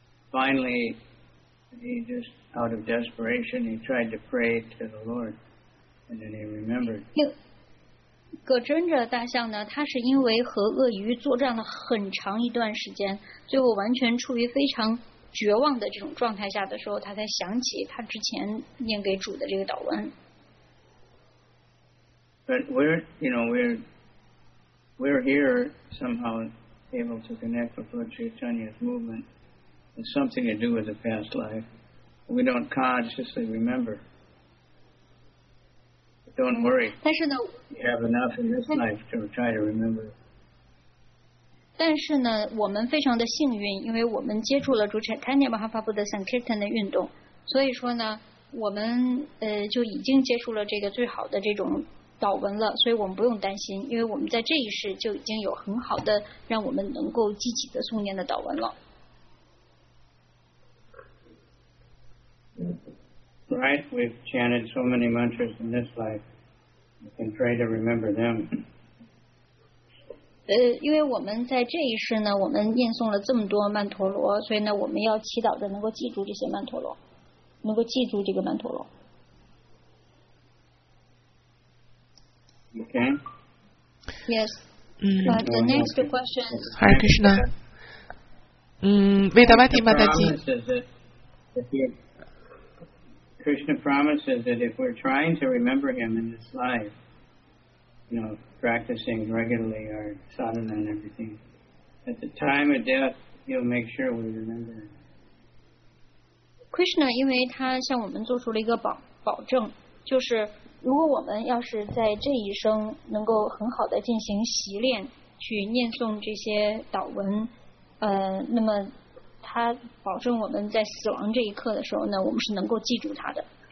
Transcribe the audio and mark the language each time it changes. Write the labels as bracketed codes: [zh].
[en] Finally, he just, out of desperation, he tried to pray to the Lord. And then he remembered. [zh] Gajendra 大象呢，他是因为和鳄鱼作战了很长一段时间，最后完全处于非常绝望的这种状态下的时候，他才想起他之前念给主的这个祷文。 [en] But we're here somehow able to connect with Lord Chaitanya's movement. It's something to do with the past life. We don't consciously remember. Don't worry. [zh] 但是呢 [en] you have enough in this life to try to remember. [zh] 但是呢我们非常的幸运，因为我们接触了主 Chaitanya Mahaprabhu 的 Sankirtan 的运动，所以说呢我们就已经接触了这个最好的这种祷文了，所以我们不用担心，因为我们在这一世就已经有很好的让我们能够记起的诵念的祷文了。 [en] Right, we've chanted so many mantras in this life. We can try to remember them. [zh] 因为我们在这一世呢，我们念诵了这么多曼陀罗，所以呢，我们要祈祷着能够记住这些曼陀罗，能够记住这个曼陀罗。 [en] Okay. Yes. But the next question. Hare Krishna. Vedavati Mataji. Krishna promises that if we're trying to remember him in this life, you know, practicing regularly our sadhana and everything, at the time of death, he'll make sure we remember him. [zh] Krishna, 因为他向我们做出了一个保证，就是如果我们要是在这一生能够很好的进行习练，去念诵这些祷文，那么他保证我们在死亡这一刻的时候呢，我们是能够记住他的。